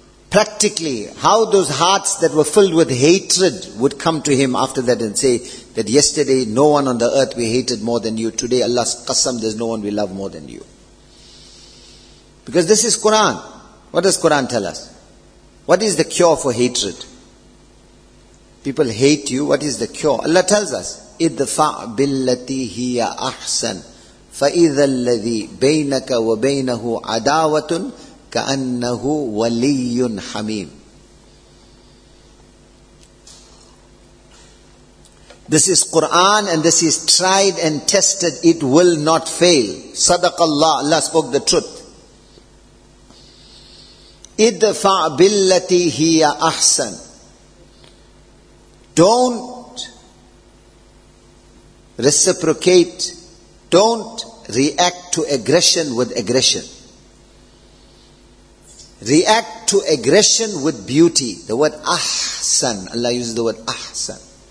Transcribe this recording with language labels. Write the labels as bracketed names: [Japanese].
[English] Practically, how those hearts that were filled with hatred would come to him after that and say that yesterday no one on the earth we hated more than you. Today Allah's qasam, there's no one we love more than you. Because this is Quran. What does Quran tell us? What is the cure for hatred? People hate you. What is the cure? Allah tells us, [Arabic] اِدْفَعْ بِالَّتِي هِيَ أَحْسَنْ فَإِذَا الَّذِي بَيْنَكَ وَبَيْنَهُ عَدَاوَةٌ كَأَنَّهُ وَلِيٌّ حَمِيمٌ. [English] This is Quran and this is tried and tested. It will not fail. [Arabic] صدق الله. [English] Allah spoke the truth. [Arabic] اِدْفَعْ بِالَّتِي هِيَ أَحْسَنْ. [English] Don't reciprocate, don't react to aggression with aggression. React to aggression with beauty. The word ahsan, Allah uses the word ahsan.